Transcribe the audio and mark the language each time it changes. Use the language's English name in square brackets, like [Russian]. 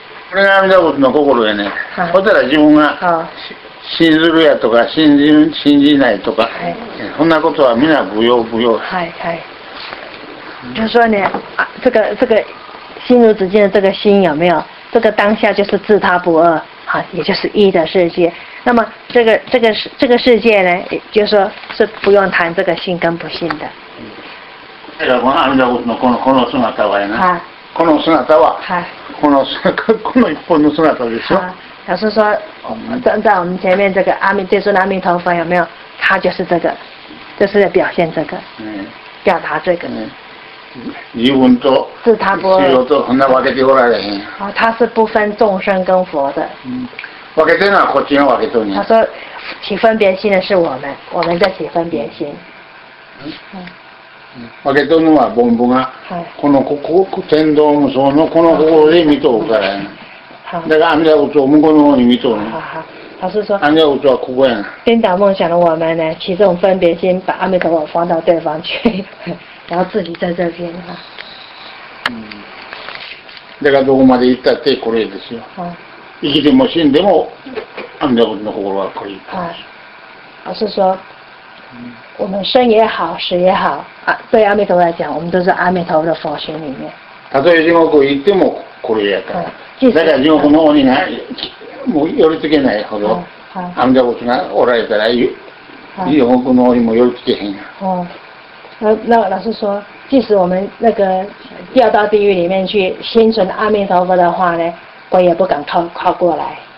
[Japanese] これが阿弥陀仏の心やね。ほたら自分が信ずるやとか信じないとか、そんなことはみんな不要不要。はいはい。 [Chinese] 就说呢、这个心如止境的这个心有没有？这个当下就是自他不二，也就是一的世界。那么这个世界呢，就说是不用谈这个信跟不信的。 [Japanese] 阿弥陀仏のこの姿はやな。この姿は、この一本の姿でしょ。 [Chinese] 老师说，站在我们前面这个阿弥，这尊阿弥陀佛有没有？他就是这个，就是在表现这个，表达这个。 [Japanese] 自分と、自他不二。そんな分けておられへん。 [Chinese] 他是不分众生跟佛的。 [Japanese] 分けてるのはこっちが分けとるん [Chinese] や。他说，起分别心的是我们，我们在起分别心。 [Japanese] 分けとるのは凡夫が、この天道無双のこの心で見とるからやな。だから阿弥陀仏を向こうの方に見とるの。 [Chinese] 老师说， [Japanese] 阿弥陀仏はここやな。 [Chinese] 颠倒梦想的我们呢，起这种分别心，把阿弥陀佛放到对方去，然后自己在这边。 [Japanese] だからどこまで行ったってこれですよ。生きても死んでも阿弥陀仏の心はこれ。 [Chinese] 老师说。我们生也好，死也好，对阿弥陀佛来讲，我们都是阿弥陀佛的佛性里面。 [Japanese] 他对地獄行ってもこれやから。だから地獄の鬼がもう寄りつけないほど、阿弥陀佛がおられたら地獄の鬼も寄りつけへんや。 [Chinese] 那老师说，即使我们那个掉到地狱里面去，心存阿弥陀佛的话呢，鬼也不敢靠过来。